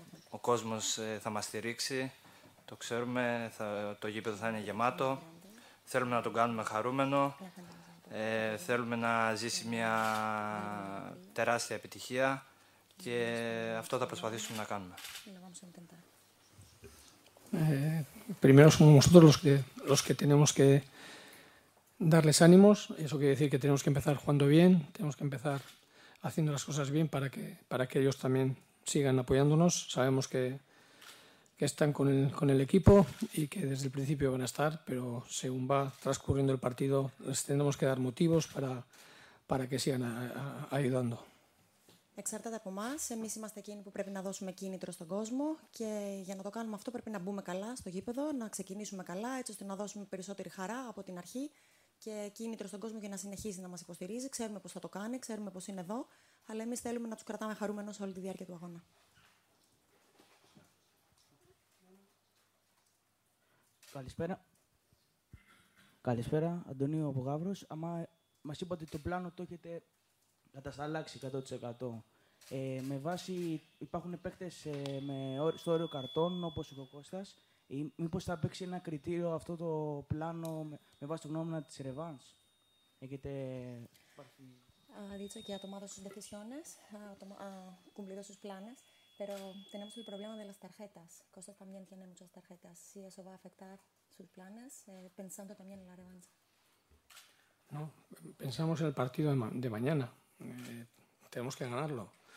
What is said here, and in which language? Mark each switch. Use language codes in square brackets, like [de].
[el] Ο κόσμος θα μας στηρίξει, το ξέρουμε, το γήπεδο θα είναι γεμάτο. Θέλουμε να τον κάνουμε χαρούμενο. Θέλουμε να ζήσει μια τεράστια επιτυχία και αυτό θα προσπαθήσουμε να κάνουμε. [es] Primero somos nosotros los que tenemos que darles ánimos. Eso quiere decir que tenemos que empezar jugando bien, tenemos que empezar haciendo las cosas bien para que ellos también sigan apoyándonos. Sabemos que están con el equipo y que desde el principio van a estar, pero según va transcurriendo el partido, les tendremos que dar motivos para que sigan ayudando. [el] Εξαρτάται από εμάς. Εμείς είμαστε εκείνοι που πρέπει να δώσουμε κίνητρο στον κόσμο και για να το κάνουμε αυτό πρέπει να μπούμε καλά στο γήπεδο, να ξεκινήσουμε καλά, έτσι ώστε να δώσουμε περισσότερη χαρά από την αρχή και κίνητρο στον κόσμο για να συνεχίζει να μας υποστηρίζει. Ξέρουμε πώς θα το κάνει, ξέρουμε πώς είναι εδώ, αλλά εμείς θέλουμε να τους κρατάμε χαρούμενος όλη τη διάρκεια του αγώνα. Καλησπέρα. Καλησπέρα, Αντωνίου από Γαύρος. Άμα μας είπατε το πλάνο το έχετε κατασταλάξει 100%. Με βάση, υπάρχουν παίκτες στο όριο καρτών, όπως ο Κώστας. Μήπως θα παίξει ένα κριτήριο αυτό το πλάνο με βάση το γνώμονα της Ρεβάνς. Έχετε... [es] Dicho que ha tomado sus decisiones, ha cumplido sus planes, pero tenemos el problema de las tarjetas. Costas también tiene muchas tarjetas. Si eso va a afectar sus planes, pensando también en la revancha. No, pensamos en el partido de mañana. Tenemos que ganarlo.